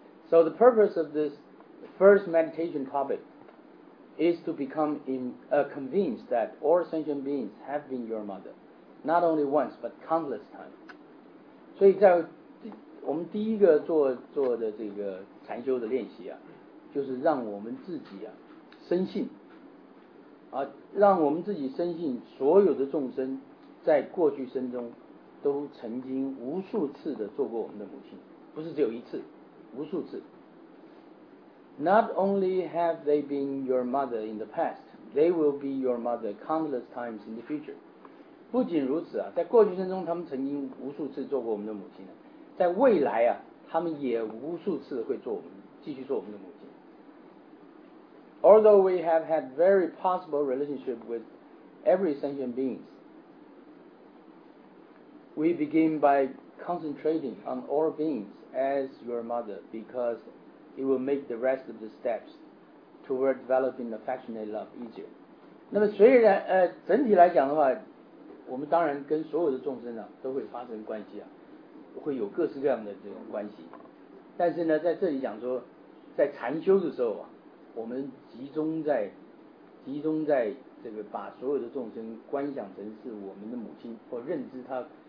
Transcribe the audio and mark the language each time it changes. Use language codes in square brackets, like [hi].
[en] So the purpose of this first meditation topic is to become convinced that all sentient beings have been your mother, not only once but countless times. [zh] 所以在我们第一个做的这个禅修的练习啊，就是让我们自己啊深信啊，让我们自己深信所有的众生。在过去生中都曾经无数次的做过我们的母亲，不是只有一次，无数次。 [en] Not only have they been your mother in the past, they will be your mother countless times in the future. [zh] 不仅如此啊，在过去生中他们曾经无数次做过我们的母亲，在未来啊，他们也无数次会继续做我们的母亲。 [en] Although we have had very possible relationship with every sentient beingsWe begin by concentrating on all beings as your mother because it will make the rest of the steps toward developing affectionate love easier. [zh] 那么虽然整体来讲的话，我们当然跟所有的众生啊都会发生关系啊，会有各式各样的这种关系。但是呢，在这里讲说，在禅修的时候啊，我们集中在这个把所有的众生观想成是我们的母亲或认知他。